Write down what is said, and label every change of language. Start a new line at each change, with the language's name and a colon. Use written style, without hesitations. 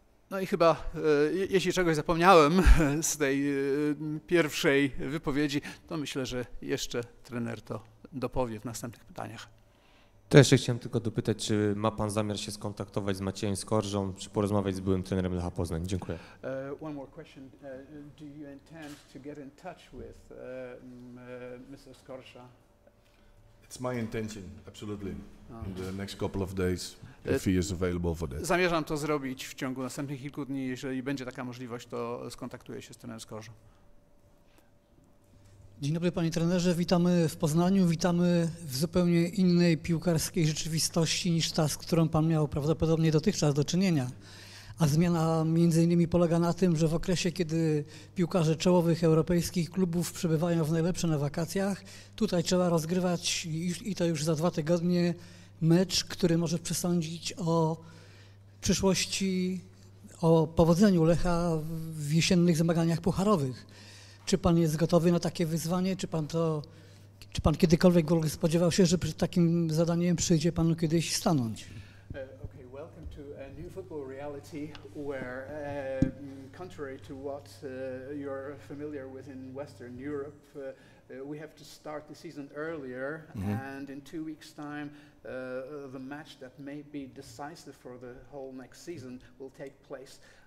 Polish: No i chyba, jeśli czegoś zapomniałem z tej pierwszej wypowiedzi, to myślę, że jeszcze trener to dopowie w następnych pytaniach. To jeszcze chciałem tylko dopytać, czy ma pan zamiar się skontaktować z Maciejem Skorżą, czy porozmawiać z byłym trenerem Lecha Poznań? Dziękuję.
English: One more question. Do you intend to get in touch with Mr. Skorża? It's my intention, absolutely. In the next couple of days, if he is available for that.
Polish: Zamierzam to zrobić w ciągu następnych kilku dni. Jeżeli będzie taka możliwość, to skontaktuję się z trenerem Skorżą. Dzień dobry panie trenerze, witamy w Poznaniu, witamy w zupełnie innej piłkarskiej rzeczywistości niż ta, z którą pan miał prawdopodobnie dotychczas do czynienia. A zmiana między innymi polega na tym, że w okresie, kiedy piłkarze czołowych europejskich klubów przebywają w najlepsze na wakacjach, tutaj trzeba rozgrywać i to już za dwa tygodnie mecz, który może przesądzić o przyszłości, o powodzeniu Lecha w jesiennych zmaganiach pucharowych. Czy pan jest gotowy na takie wyzwanie? Czy pan kiedykolwiek spodziewał się, że przed takim zadaniem przyjdzie panu kiedyś stanąć?
English: Okay, welcome to a new football reality where contrary to what you're familiar with in Western Europe, we have to start the season earlier and in 2 weeks time the match that may be decisive for the whole next season will take place.